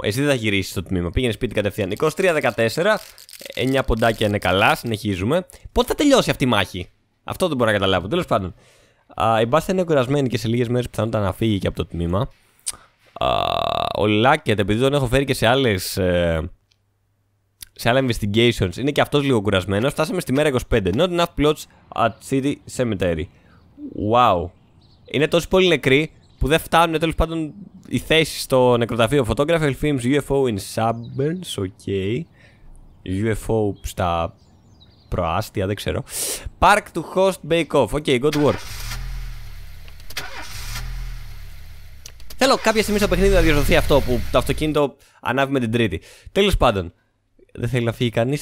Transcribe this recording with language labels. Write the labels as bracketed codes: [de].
[el] Εσύ δεν θα γυρίσεις στο τμήμα. Πήγαινε σπίτι κατευθείαν. 23-14. 9 ποντάκια είναι καλά. Συνεχίζουμε. Πότε θα τελειώσει αυτή η μάχη? Αυτό δεν μπορώ να καταλάβω. Τέλος πάντων. Η Μπάστα είναι κουρασμένη και σε λίγες μέρες πιθανότατα να φύγει και από το τμήμα. Ο Λάκετ, επειδή τον έχω φέρει και σε άλλες. Σε άλλα investigations, είναι και αυτός λίγο κουρασμένος. Φτάσαμε στη μέρα 25. [en] Not enough plots at City Cemetery. Wow. [el] Είναι τόσο πολύ νεκροί που δεν φτάνουν τέλος πάντων οι θέσεις στο νεκροταφείο. [en] Photographer films UFO in suburbs. Okay. [el] UFO στα προάστια, δεν ξέρω. [en] Park to host bake off. Okay, good work. [el] Θέλω κάποια στιγμή στο παιχνίδι να διορθωθεί αυτό που το αυτοκίνητο ανάβει με την Τρίτη. Τέλος πάντων. Δεν θέλει να φύγει κανείς.